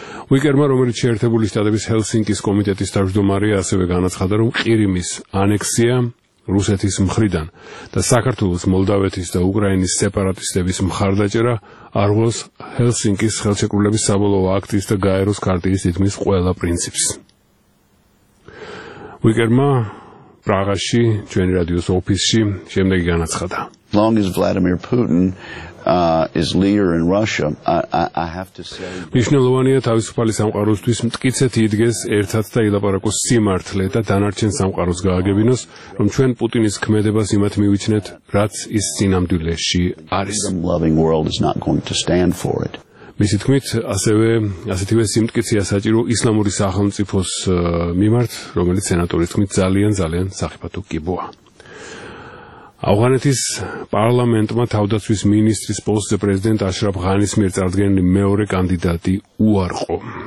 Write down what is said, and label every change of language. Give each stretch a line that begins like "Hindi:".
Georgian: უიკერმა, რომელიც შეერთებული შტატების ჰელსინკის კომიტეტის თავმჯდომარეა, ასევე განაცხადა, რომ ყირიმის ანექსია რუსეთის მხრიდან და საქართველოს, მოლდავეთის და უკრაინის სეპარატისტების მხარდაჭერა არღვევს ჰელსინკის ხელშეკრულების საბოლოო აქტის და გაეროს ქარტიის თითქმის ყველა პრინციპს. უიკერმა პრაღაში, ჩვენი რადიოს ოფისში, შემდეგი განაცხადა.
English: Long as Vladimir Putin is leader in Russia, I have to say
Georgian: მნიშვნელოვანია თავისუფალი სამყაროსთვის მტკიცედ იდგეს ერთად და ელაპარაკოს სიმართლე და დანარჩენ სამყაროს გააგებინოს, რომ ჩვენ პუტინის ქმედებას იმათ მივიჩნეთ, რაც ის სინამდვილეში არის.
English: Loving world is not going to stand for it.
Georgian: მისი თქმით, ასეთივე სიმტკიცეა საჭირო ისლამური სახელმწიფოს მიმართ, რომელიც სენატორის თქმით ძალიან სახიფათო კიბოა. ავღანეთის პარლამენტმა თავდაცვის მინისტრის პოსტზე პრეზიდენტ აშრაფ ღანის მიერ წარდგენილი მეორე კანდიდატი უარყო.